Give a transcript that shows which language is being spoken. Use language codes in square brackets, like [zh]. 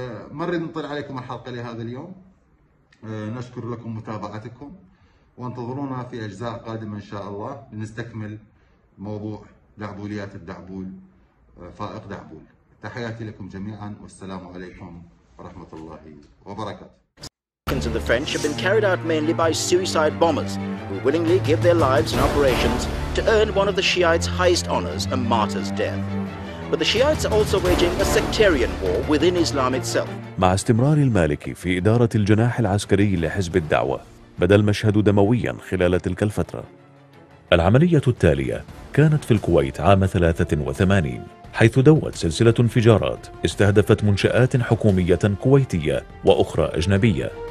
[ar] مرة نطل عليكم الحلقة لهذا اليوم، نشكر لكم متابعتكم، وانتظرونا في أجزاء قادمة إن شاء الله لنستكمل موضوع دعبوليات الدعبول فائق دعبول. تحياتي لكم جميعا، والسلام عليكم ورحمة الله وبركاته. [en] The French have been carried out mainly by suicide bombers who willingly give their lives in operations to earn one of the Shiites' highest honors, a martyr's death. But the Shiites are also waging a sectarian war within Islam itself. [ar] مع استمرار المالكي في إدارة الجناح العسكري لحزب الدعوة، بدأ المشهد دمويا خلال تلك الفترة. العملية التالية كانت في الكويت عام 83، حيث دوت سلسلة انفجارات استهدفت منشآت حكومية كويتية وأخرى أجنبية.